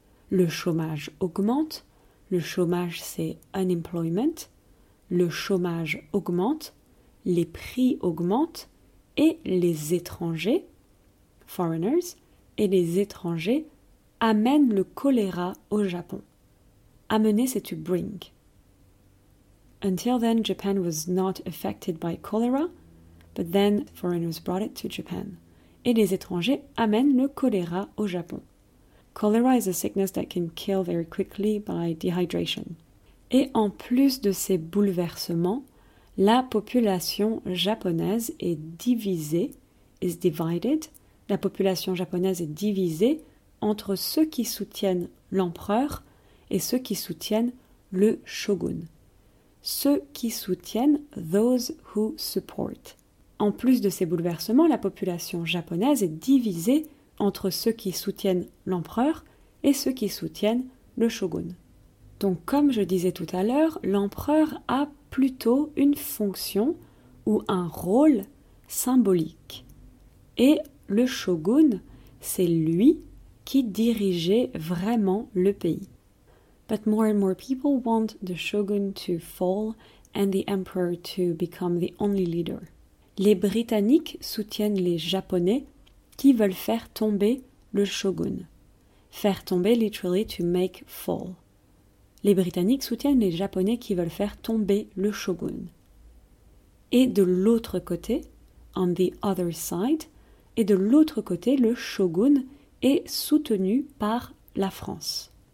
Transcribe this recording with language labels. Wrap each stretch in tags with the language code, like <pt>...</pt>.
<fr>Le chômage augmente, le chômage c'est unemployment, le chômage augmente, les prix augmentent et les étrangers, foreigners, et les étrangers amènent le choléra au Japon. Amener c'est to bring.</fr> <en>Until then, Japan was not affected by cholera, but then foreigners brought it to Japan.</en> <fr>Et les étrangers amènent le choléra au Japon.</fr> <en>Cholera is a sickness that can kill very quickly by dehydration.</en> <fr>Et en plus de ces bouleversements, la population japonaise est divisée,</fr> <en>is divided.</en> <fr>La population japonaise est divisée entre ceux qui soutiennent l'empereur et ceux qui soutiennent le shogun. Ceux qui soutiennent,</fr> <en>those who support.</en> <fr>En plus de ces bouleversements, la population japonaise est divisée entre ceux qui soutiennent l'empereur et ceux qui soutiennent le shogun. Donc comme je disais tout à l'heure, l'empereur a plutôt une fonction ou un rôle symbolique. Et le shogun, c'est lui qui dirigeait vraiment le pays.</fr> <en>But more and more people want the shogun to fall and the emperor to become the only leader.</en> <fr>Les Britanniques soutiennent les Japonais qui veulent faire tomber le shogun. Faire tomber,</fr> <en>literally, to make fall.</en> <fr>Les Britanniques soutiennent les Japonais qui veulent faire tomber le shogun. Et de l'autre côté,</fr> <en>on the other side,</en> <fr>et de l'autre côté, le shogun est soutenu par la France.</fr>